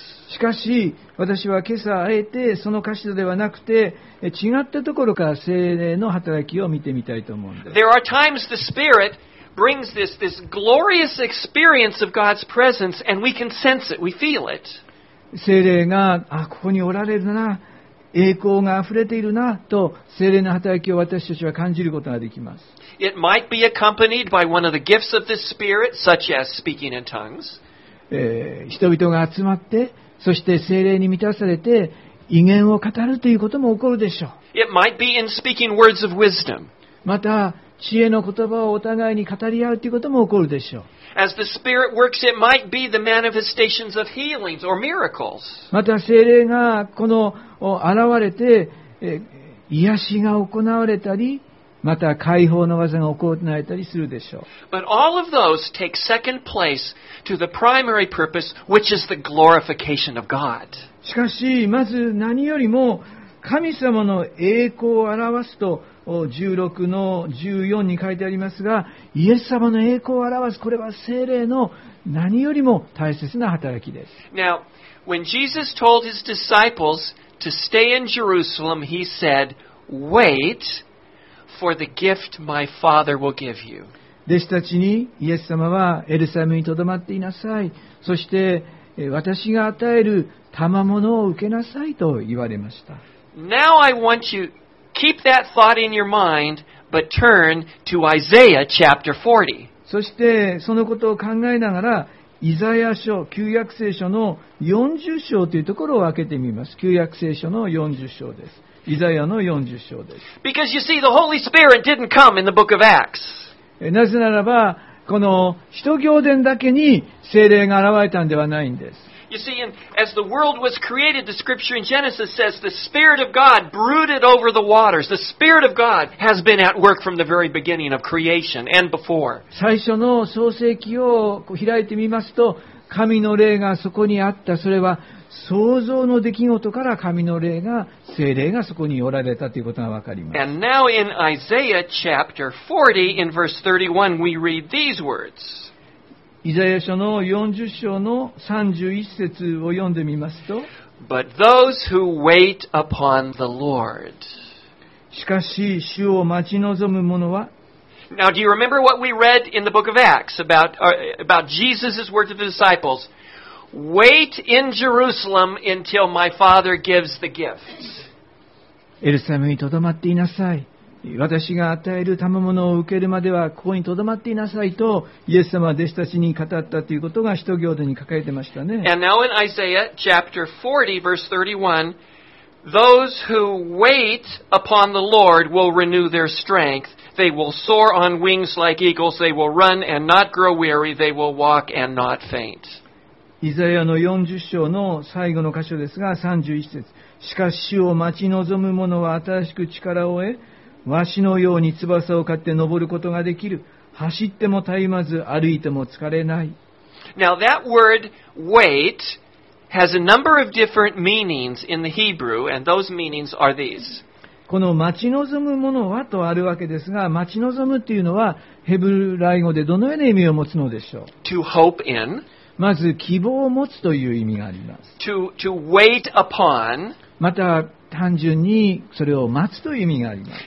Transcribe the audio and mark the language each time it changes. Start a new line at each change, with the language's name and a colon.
Japanese: しかし私は今朝あえてその箇所ではなくて、違ったところから聖霊の働きを見てみたいと思うんです。
English: There are times the Spirit brings this glorious experience of God's presence, and we can sense it, we feel it.
Japanese: 聖霊が、あ、ここにおられるな、栄光があふれているなと、聖霊の働きを私たちは感じることができます。
English: It might be accompanied by one of the gifts of the Spirit, such as speaking in tongues.
Japanese: 人々が集まって、そして聖霊に満たされて、異言を語るということも起こるでしょう。
English: It might be in speaking words of wisdom.
Japanese: また、知恵の言葉をお互いに語り合うということも起こるでしょう。
English: As the Spirit works, it might be the manifestations of healings or miracles.
Japanese: また、聖霊がこの現れて、癒しが行われたり、また解放の技が行われたりするでしょう。
English: But all of those take second place to the primary purpose, which is the glorification of God.
Japanese: しかし、まず何よりも神様の栄光を表すと、16の14に書いてありますが、イエス様の栄光を表す、これは聖霊の何よりも大切な働きです。
English: Now, when Jesus told his disciples to stay in Jerusalem, he said, wait for the gift my Father will give you.
Japanese: 弟子たちに、イエス様はエルサレムに留まっていなさい。そして、私が与える賜物を受けなさいと言われました。
English: Now I want you keep that thought in your mind, but turn to Isaiah chapter 40.
Japanese: そしてそのことを考えながら、イザヤ書、旧約聖書の40章というところを開けてみます。旧約聖書の40章です。イザヤの40章です。
English: Because you see, the Holy Spirit didn't come in the book of Acts.
Japanese: なぜならば、この使徒行伝だけに聖霊が現れたんではないんです。
English: You see, and as the world was created, the scripture in Genesis says the Spirit of God brooded over the waters. The Spirit of God has been at work from the very beginning of creation and before.
Japanese: 最初の創世記を開いてみますと、神の霊がそこにあった。それは創造の出来事から神の霊が、聖霊がそこにおられたということがわかります。
English: And now in Isaiah chapter 40, in verse 31, we read these words.
Japanese: イザヤ書の40章の31節を読んでみますと、
English: But those who wait upon the Lord.
Japanese: しかし主を待ち望む者は、
English: Now do you remember what we read in the book of Acts about Jesus' words to the disciples? Wait in Jerusalem until my Father gives the gifts.
Japanese: エルサレムにとどまっていなさい。私が与える賜物を受けるまではここにとどまっていなさいとイエス様は弟子たちに語ったということが使徒行伝に書かれてましたね。
English: And now in Isaiah chapter 40 verse 31, those who wait upon the Lord will renew their strength. They will soar on wings like eagles. They will run and not grow weary. They will walk and not faint.
Japanese: イザヤの40章の最後の箇所ですが31節。しかし主を待ち望む者は新しく力を得、わしのように翼を買って登ることができる。走っても絶えまず、歩いても疲れない。
English: Now that word wait has a number of different meanings in the Hebrew, and those meanings are these.
Japanese: この待ち望むものはとあるわけですが、待ち望むというのはヘブライ語でどのような意味を持つのでしょう。
English: To hope in.
Japanese: まず希望を持つという意味があります。
English: To wait upon.
Japanese: また単純にそれを待つという意味があります。